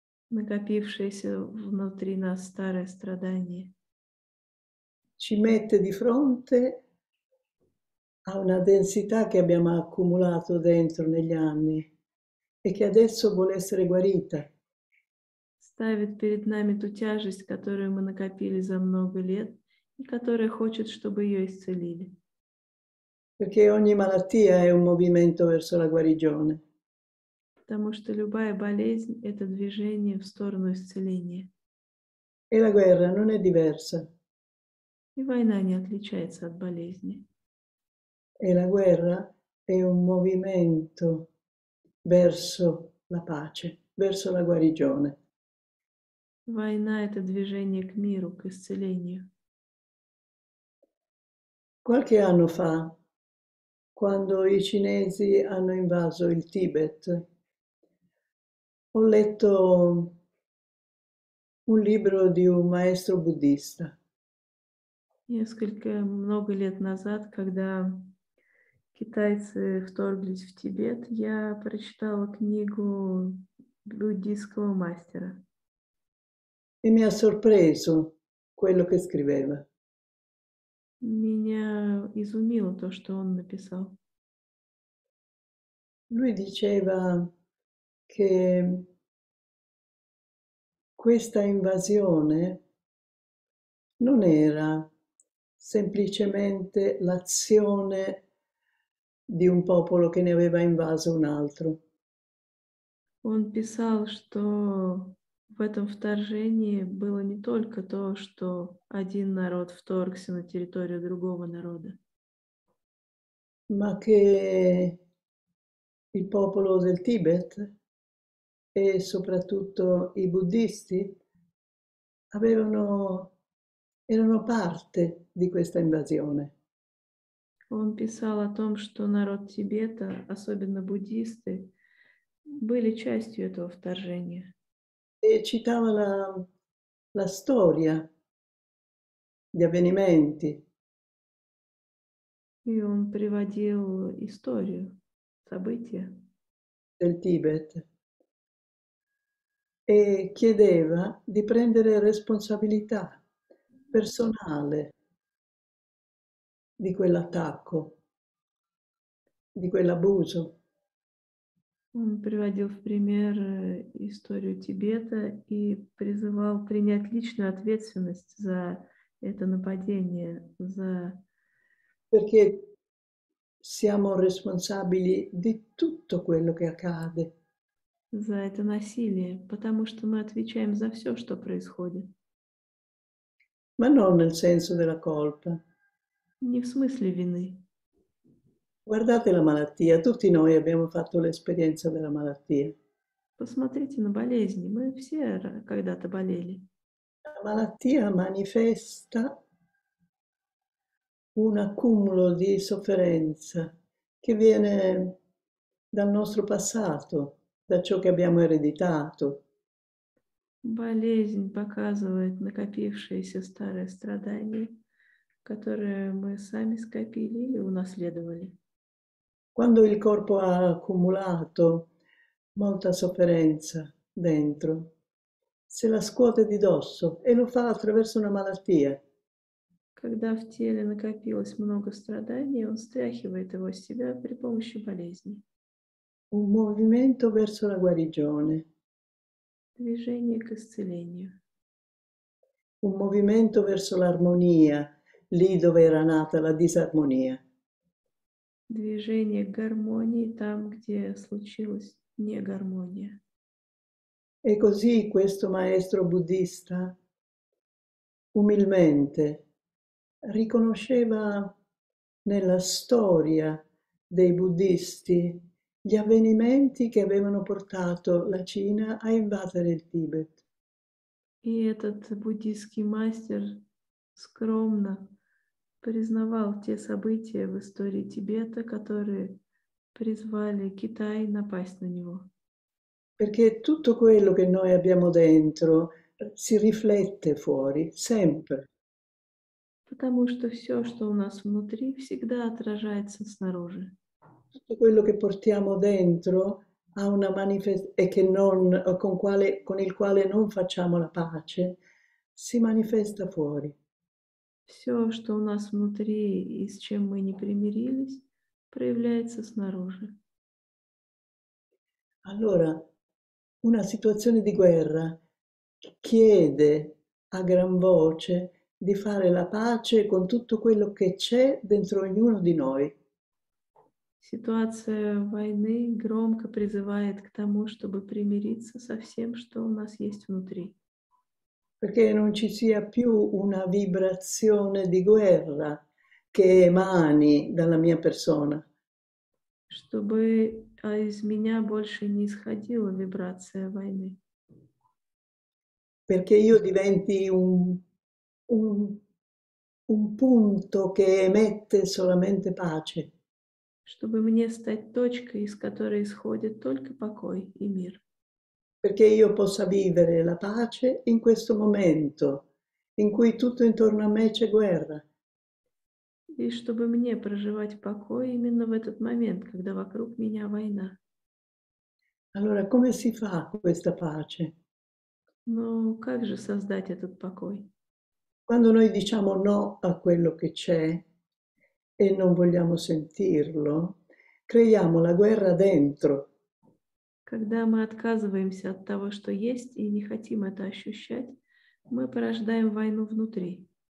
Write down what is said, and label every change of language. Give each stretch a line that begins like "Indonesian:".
Russian: Накопившееся внутри нас старое страдание.
Italian: Ci mette di fronte a una densità che abbiamo accumulato dentro negli anni e che adesso vuole essere guarita.
Russian: Ставит перед нами ту тяжесть, которую мы накопили за много лет, и которая хочет, чтобы ее исцелили.
Italian: Perché ogni malattia è un movimento verso la guarigione.
Russian: Потому что любая болезнь – это движение в сторону исцеления.
Italian: E la guerra non è diversa.
Russian: И война не отличается от болезни.
Italian: E la guerra è un movimento verso la pace, verso la guarigione.
Russian: Война – это движение к миру, к исцелению.
Italian: Qualche anno fa, quando i cinesi hanno invaso il Tibet, ho letto un libro di un maestro buddista.
Russian: Несколько, много лет назад, когда китайцы вторглись в Тибет, я прочитала книгу буддийского мастера.
Italian: E mi ha sorpreso quello che scriveva.
Russian: Меня изумило то, что он написал.
Italian: Lui diceva che questa invasione non era semplicemente l'azione di un popolo che ne aveva invaso un altro.
Russian: Он писал, что в этом вторжении было не только то, что один народ вторгся на территорию другого народа.
Italian: Ma che il popolo del Tibet e soprattutto i buddisti erano parte di questa invasione.
Russian: Он писал о том, что народ Тибета, особенно буддисты, были частью этого вторжения.
Italian: E citava la storia, gli avvenimenti.
Russian: И он приводил историю, события.
Italian: Del Tibet e chiedeva di prendere responsabilità personale di quell'attacco, di quell'abuso.
Russian: Он приводил в пример историю Тибета и призывал принять личную ответственность за это нападение, за...
Italian: Perché siamo responsabili di tutto quello che accade.
Russian: За это насилие, потому что мы отвечаем за все, что происходит.
Italian: Ma non nel senso della colpa. Guardate
Russian: Не в смысле вины.
Italian: la malattia, tutti noi abbiamo fatto l'esperienza della malattia.
Russian: Посмотрите на болезни. Мы все когда-то болели.
Italian: La malattia manifesta un accumulo di sofferenza che viene dal nostro passato, da ciò che abbiamo ereditato.
Russian: Болезнь показывает накопившиеся старые страдания, которые мы сами скопили или унаследовали.
Italian: Quando il corpo ha accumulato molta sofferenza dentro, se la scuote di dosso e lo fa attraverso una malattia.
Russian: Когда в теле накопилось много страданий, он стряхивает его с себя при помощи болезни.
Italian: Un movimento verso la guarigione.
Russian: Движение к исцелению.
Italian: Un movimento verso l'armonia, lì dove era nata la disarmonia.
Russian: Движение к гармонии там, где случилась негармония.
Italian: E così questo maestro buddista, umilmente, riconosceva nella storia dei buddisti gli avvenimenti che avevano portato la Cina a invadere il Tibet.
Russian: И этот буддийский мастер скромно признавал те события в истории Тибета, которые призвали Китай напасть на него.
Italian: Perché tutto quello che noi abbiamo dentro si riflette fuori, sempre.
Russian: Потому что все, что у нас внутри, всегда отражается снаружи.
Italian: Quello che portiamo dentro ha una manifestazione e che non con quale con il quale non facciamo la pace si manifesta fuori.
Russian: Все, что у нас внутри и с чем мы не примирились, проявляется снаружи.
Italian: Allora, una situazione di guerra chiede a gran voce di fare la pace con tutto quello che c'è dentro ognuno di noi.
Russian: Ситуация войны громко призывает к тому, чтобы примириться со всем, что у нас есть внутри.
Italian: Perché non ci sia più una vibrazione di guerra che emani dalla mia persona.
Russian: Чтобы из меня больше не исходила вибрация войны.
Italian: Perché io diventi un punto che emette solamente pace.
Russian: Чтобы мне стать точкой, из которой исходит только покой и мир.
Italian: Perché io possa vivere la pace in questo momento in cui tutto intorno a me c'è guerra.
Russian: И чтобы мне проживать покой именно в этот момент, когда вокруг меня война.
Italian: Allora, come si fa questa pace?
Russian: Ну, как же создать этот покой?
Italian: Quando noi diciamo no a quello che c'è e non vogliamo sentirlo, creiamo la guerra dentro.
Russian: Когда мы отказываемся от того, что есть, и не хотим это ощущать, мы порождаем войну внутри.